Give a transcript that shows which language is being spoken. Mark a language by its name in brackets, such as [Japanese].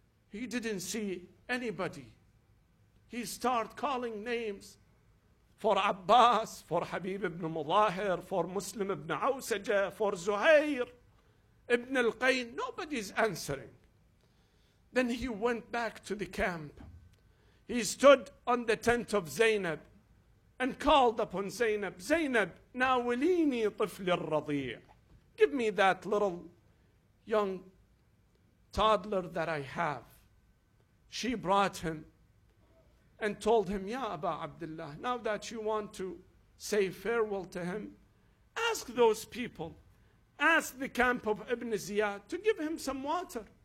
[English] He didn't see anybody. He started calling names for Abbas, for Habib ibn Mudahir, for Muslim ibn Awsaja, for Zuhair ibn al-Qayn. Nobody's answering. Then he went back to the camp. He stood on the tent of Zainab and called upon Zainab. [Arabic] Zainab, ناوليني طفل الرضيع. [English] Give me that little young toddler that I have. She brought him and told him, [Arabic] Ya Aba Abdullah, [English] now that you want to say farewell to him, ask those people, ask the camp of Ibn Ziyad to give him some water.